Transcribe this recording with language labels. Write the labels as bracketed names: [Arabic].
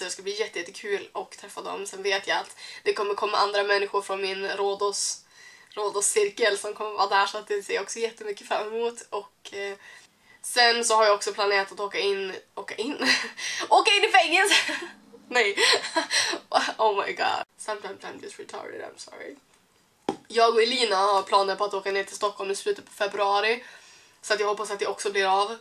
[Swedish] Det ska bli jättekul att träffa dem. Sen vet jag att det kommer komma andra människor från min Rådos-cirkel som kommer vara där. Så att det ser jag också jättemycket fram emot. Och sen så har jag också planerat att åka in åka in i fängelse. Nej. [English] Oh my god. Sometimes I'm just retarded, I'm sorry. [Swedish] Jag och Elina har planer på att åka ner till Stockholm i slutet på februari. Så att jag hoppas att det också blir av.